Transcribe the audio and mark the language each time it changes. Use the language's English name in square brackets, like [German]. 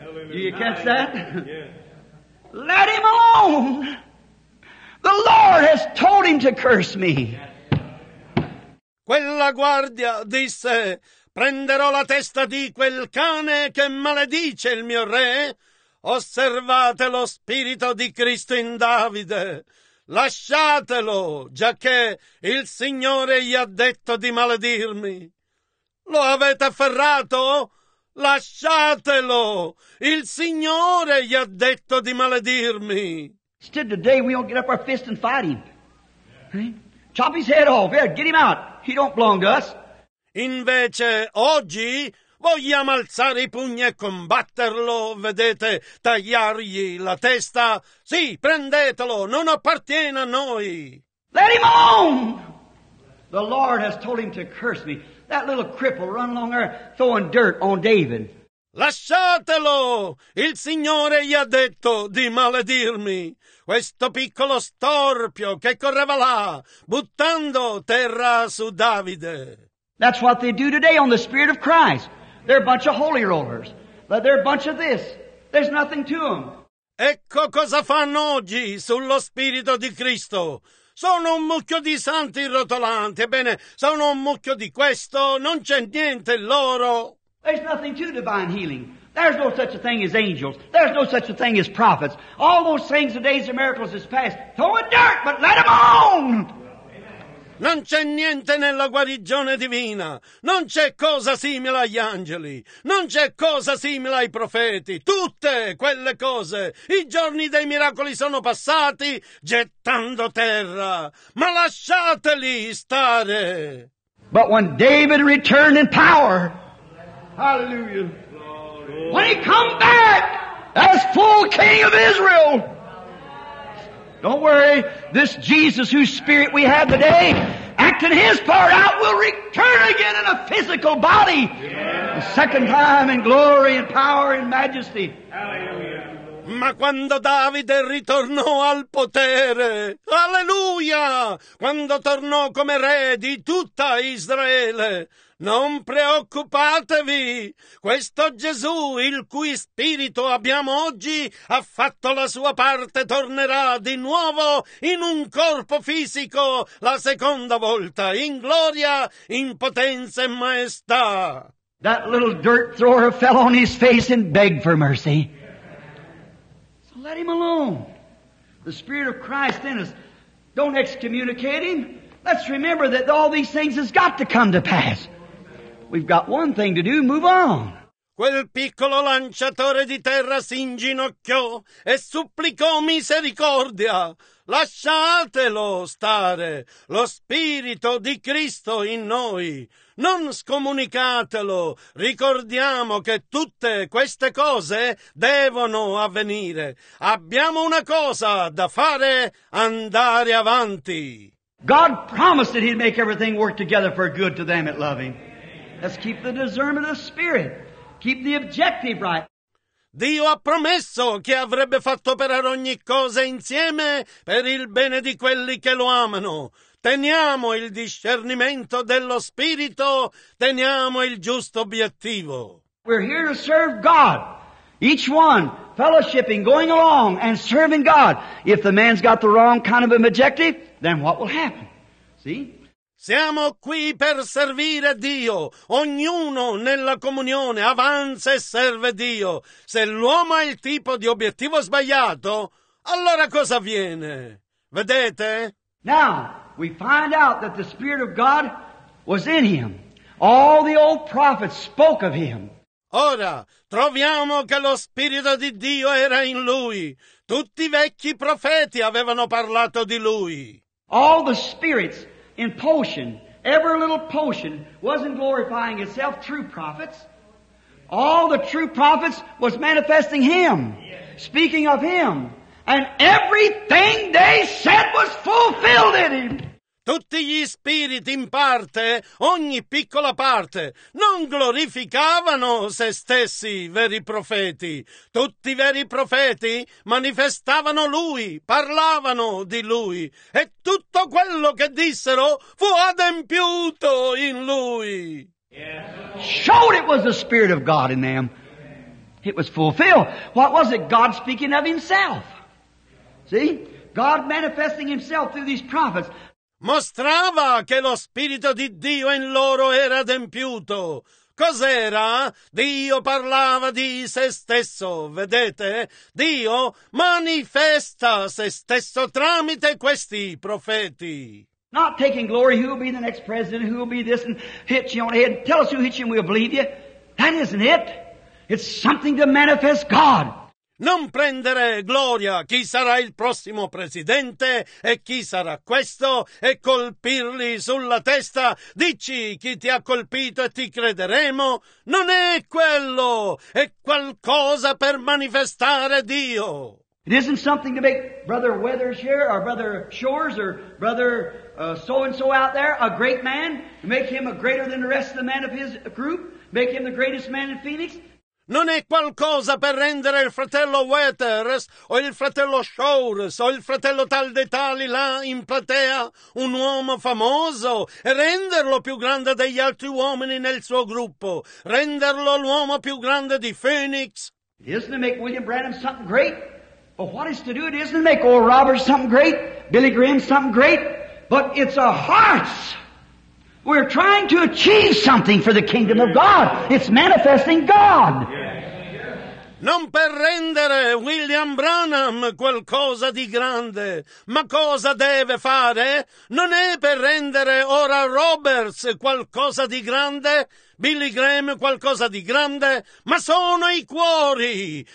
[English] Do you catch that? Let him alone. The Lord has told him to curse me. [Italian] Quella guardia disse, prenderò la testa di quel cane che maledice il mio re. Osservate lo spirito di Cristo in Davide. Lasciatelo, giacché il Signore gli ha detto di maledirmi. Lo avete afferrato? Lasciatelo! Il Signore gli ha detto di maledirmi. [English] Still today we don't get up our fist and fight him. Chop his head off. Here, get him out. He don't belong to us. [Italian] Invece, oggi, vogliamo alzare i pugni e combatterlo, vedete, tagliargli la testa. Sì, prendetelo, non appartiene a noi. [English] Let him alone! The Lord has told him to curse me. That little cripple run along there throwing dirt on David. [Italian] Lasciatelo! Il Signore gli ha detto di maledirmi. Questo piccolo storpio che correva là, buttando terra su Davide. [English] That's what they do today on the Spirit of Christ. They're a bunch of holy rollers. But they're a bunch of this. There's nothing to them. [Italian] Ecco cosa fanno oggi sullo Spirito di Cristo. Sono un mucchio di santi rotolanti. Ebbene, sono un mucchio di questo. Non c'è niente loro. [English] There's nothing to divine healing. There's no such a thing as angels. There's no such a thing as prophets. All those things, the days of miracles is past. Throw in dirt, but let them alone! [Italian] Non c'è niente nella guarigione divina. Non c'è cosa simile agli angeli. Non c'è cosa simile ai profeti. Tutte quelle cose. I giorni dei miracoli sono passati gettando terra. Ma lasciateli stare. [English] But when David returned in power, hallelujah, when he come back as full king of Israel, don't worry, this Jesus whose spirit we have today, acting his part out, will return again in a physical body. Yeah. A second time in glory and power and majesty. [Italian] Ma quando Davide ritornò al potere, alleluia, quando tornò come re di tutta Israele, non preoccupatevi, questo Gesù, il cui spirito abbiamo oggi, ha fatto la sua parte, tornerà di nuovo in un corpo fisico la seconda volta, in gloria, in potenza e maestà. [English] That little dirt thrower fell on his face and begged for mercy. So let him alone. The Spirit of Christ in us. Don't excommunicate him. Let's remember that all these things has got to come to pass. We've got one thing to do, move on. [Italian] Quel piccolo lanciatore di terra si inginocchiò e supplicò misericordia. Lasciatelo stare, lo Spirito di Cristo in noi. Non scomunicatelo. Ricordiamo che tutte queste cose devono avvenire. Abbiamo una cosa da fare, andare avanti. [English] God promised that He'd make everything work together for good to them that love Him. Let's keep the discernment of spirit. Keep the objective right. [Italian] Dio ha promesso che avrebbe fatto operare ogni cosa insieme per il bene di quelli che lo amano. Teniamo il discernimento dello spirito, teniamo il giusto obiettivo. [English] We're here to serve God. Each one, fellowshipping, going along and serving God. If the man's got the wrong kind of an objective, then what will happen? See? [Italian] Siamo qui per servire Dio. Ognuno nella comunione avanza e serve Dio. Se l'uomo ha il tipo di obiettivo sbagliato, allora cosa avviene? Vedete? [English] Now, we find out that the Spirit of God was in him. All the old prophets spoke of him. [Italian] Ora, troviamo che lo Spirito di Dio era in lui. Tutti i vecchi profeti avevano parlato di lui. [English] All the spirits in potion, every little potion wasn't glorifying itself, true prophets. All the true prophets was manifesting him, speaking of him. And everything they said was fulfilled in him. [Italian] Tutti gli spiriti in parte, ogni piccola parte, non glorificavano se stessi, veri profeti. Tutti i veri profeti manifestavano lui, parlavano di lui, e tutto quello che dissero fu adempiuto in lui. [English] Showed it was the Spirit of God in them. It was fulfilled. What was it? God speaking of himself. See? God manifesting himself through these prophets. [Italian] Mostrava che lo Spirito di Dio in loro era adempiuto. Cos'era? Dio parlava di se stesso, vedete? Dio manifesta se stesso tramite questi profeti. [English] Not taking glory, who will be the next president, who will be this, and hit you on the head. Tell us who hit you and we'll believe you. That isn't it. It's something to manifest God. [Italian] Non prendere gloria chi sarà il prossimo presidente e chi sarà questo e colpirli sulla testa. Dici chi ti ha colpito e ti crederemo. Non è quello, è qualcosa per manifestare Dio. [English] It isn't something to make Brother Weathers here or Brother Shores or Brother so-and-so out there a great man, make him a greater than the rest of the men of his group, make him the greatest man in Phoenix. [Italian] Non è qualcosa per rendere il fratello Weathers o il fratello Shores o il fratello tal dei tali là in platea un uomo famoso e renderlo più grande degli altri uomini nel suo gruppo, renderlo l'uomo più grande di Phoenix. [English] Isn't it make William Branham something great? But what is to do? It isn't to make Oral Roberts something great, Billy Graham something great, but it's our hearts. We're trying to achieve something for the kingdom of God. It's manifesting God. [Italian] Non per rendere William Branham qualcosa di grande, ma cosa deve fare? Non è per rendere ora Roberts qualcosa di grande, Billy Graham qualcosa di grande, ma sono i cuori.